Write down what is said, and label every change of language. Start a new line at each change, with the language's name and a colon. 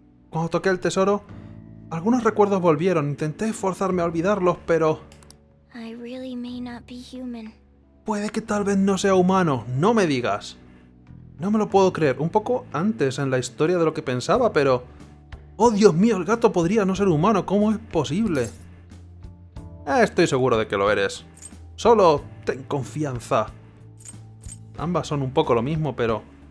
Spanish: Cuando toqué el tesoro, algunos recuerdos volvieron. Intenté forzarme a olvidarlos, pero...
English: I really may not be human.
Spanish: Puede que tal vez no sea humano, no me digas. No me lo puedo creer, un poco antes en la historia de lo que pensaba, pero... ¡oh, Dios mío, el gato podría no ser humano! ¿Cómo es posible? Estoy seguro de que lo eres. Solo ten confianza. Ambas son un poco lo mismo, pero...